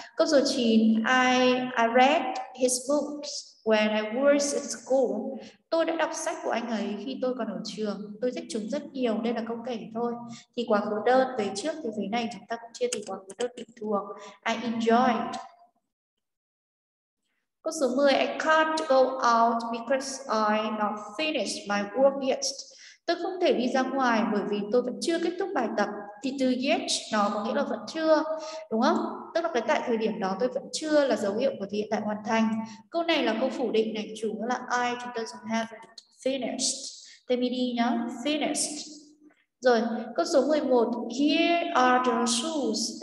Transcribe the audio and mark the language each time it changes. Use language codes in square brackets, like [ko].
[vi] Câu số 9, [en] I read his books when I was at school. [vi] Tôi đã đọc sách của anh ấy khi tôi còn ở trường. Tôi thích chúng rất nhiều. Đây là câu kể thôi. Thì quá khứ đơn về trước thì về này chúng ta cũng chia thì quá khứ đơn bình thường. [en] I enjoyed. [vi] Câu số 10, [en] I can't go out because I not finished my work yet. [vi] Tôi không thể đi ra ngoài bởi vì tôi vẫn chưa kết thúc bài tập. Thì từ yet nó có nghĩa là vẫn chưa, đúng không? Tức là cái tại thời điểm đó tôi vẫn chưa là dấu hiệu của thì hiện tại hoàn thành. Câu này là câu phủ định này, chủ ngữ là I, chúng ta dùng haven't finished. Thế mình đi nhá, finished. Rồi, câu số 11, [en] here are the shoes.